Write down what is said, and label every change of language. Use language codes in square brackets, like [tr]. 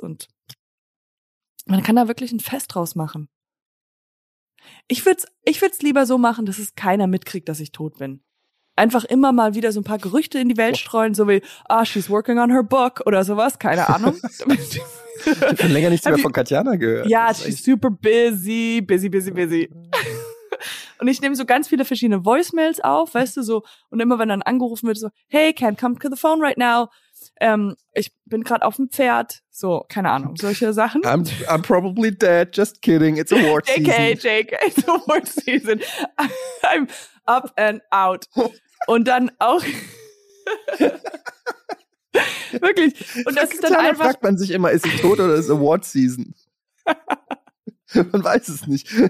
[de] Und man kann da wirklich ein Fest draus machen. Ich würd's lieber so machen, dass es keiner mitkriegt, dass ich tot bin. Einfach immer mal wieder so ein paar Gerüchte in die Welt streuen, so wie, ah, [en] she's working on her book [de] oder sowas, keine Ahnung. Ich habe schon länger nichts mehr von Katjana gehört. [en] Ja, she's super busy, busy, busy, busy. [de] Und ich nehme so ganz viele verschiedene Voicemails auf, weißt du, so, und immer wenn dann angerufen wird, so, [en] hey, can't come to the phone right now, [de] ich bin gerade auf dem Pferd, so, keine Ahnung, solche Sachen. [en] I'm probably dead, just kidding, it's award season. JK, it's award season. I'm up and out. [de] Und dann auch, wirklich, und das ist dann einfach. Da fragt man sich immer, ist sie tot oder ist Award Season? Man weiß es nicht.